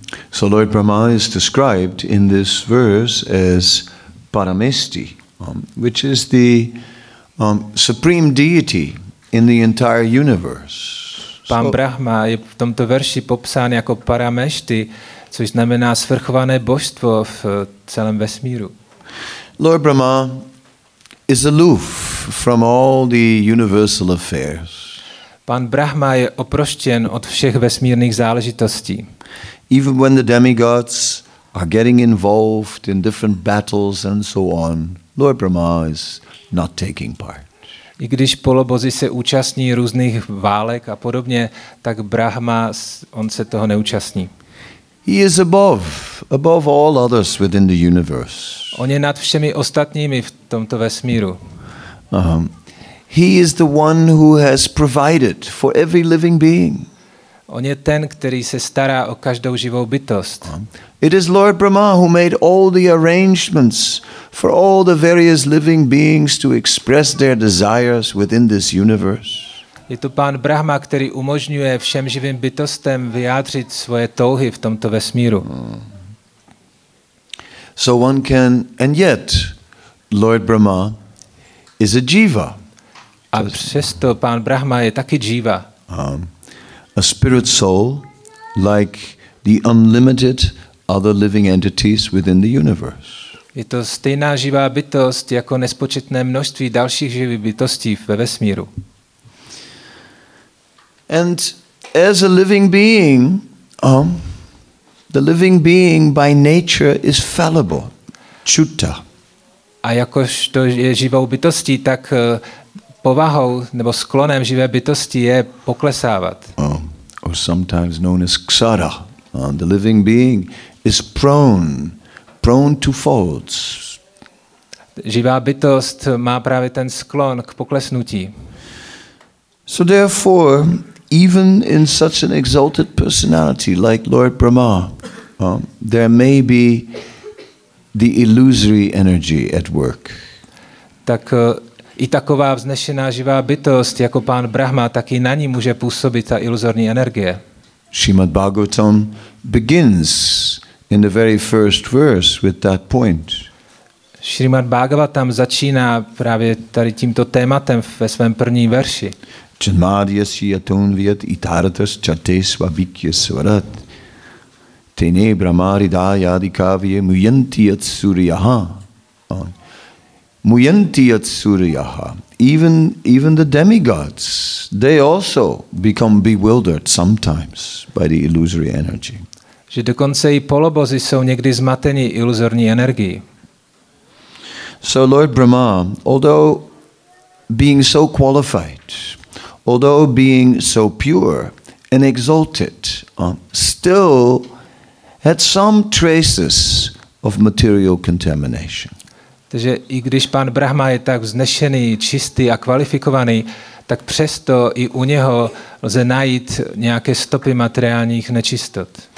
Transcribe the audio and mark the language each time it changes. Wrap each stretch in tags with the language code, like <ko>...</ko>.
<en>So Lord Brahma is described in this verse as Paramesti, which is the supreme deity in the entire universe.</en> <cs>Pán Brahma je v tomto verši popsán jako Paramesti, což znamená svrchované božstvo v celém vesmíru.</cs> <en>Lord Brahma is aloof from all the universal affairs.</en> <cs>Pán Brahma je oproštěn od všech vesmírných záležitostí.</cs> <en>Even when the demigods are getting involved in different battles and so on, Lord Brahma is not taking part.</en> <cs>I když polobozy se účastní různých válek a podobně, tak Brahma, on se toho neúčastní.</cs> <en>He is above all others within the universe.</en> <cs>On je nad všemi ostatními v tomto vesmíru.</cs> <en>He is the one who has provided for every living being.</en> <cs>On je ten, který se stará o každou živou bytost.</cs> <en>It is Lord Brahma who made all the arrangements for all the various living beings to express their desires within this universe.</en> <cs>Je to pán Brahma, který umožňuje všem živým bytostem vyjádřit svoje touhy v tomto vesmíru.</cs> <en>So one can, and yet Lord Brahma is a jiva.</en> <cs>A přesto pán Brahma je taky jiva.</cs> <en>A spirit soul, like the unlimited other living entities within the universe.</en> <cs>Je to stejná živá bytost jako nespočetné množství dalších živých bytostí ve vesmíru.</cs> <en>And as a living being, the living being by nature is fallible, chuta.</en> <cs>A jakožto je živou bytostí, tak povahou nebo sklonem živé bytosti je poklesávat.</cs> <en>Or sometimes known as ksara, the living being is prone to faults.</en> <cs>Živá bytost má právě ten sklon k poklesnutí.</cs> <en>So therefore, even in such an exalted personality like Lord Brahma, there may be the illusory energy at work.</en> <cs>Tak i taková vznešená živá bytost jako pán Brahma, taky na ní může působit ta iluzorní energie.</cs> <en>Srimad Bhagavatam begins in the very first verse with that point.</en> <cs>Šrimad Bhagavatam začíná právě tady tímto tématem ve svém první verši.</cs> <sa>Janmadyasya tunvyat itartas chatesva bikyasvarat tene brahmarida yadikavye muyanti atsuryaha. Muyanti atsuryaha.</sa> <en>Even the demigods, they also become bewildered sometimes by the illusory energy.</en> <cs>Že dokonce i polobozy jsou někdy zmateni iluzorní energií.</cs> <en>So Lord Brahma, although being so qualified, although being so pure and exalted, still had some traces of material contamination.</en> <cs>Takže i když pan Brahma je tak vznešený, čistý a kvalifikovaný, tak přesto i u něho lze najít nějaké stopy materiálních nečistot.</cs>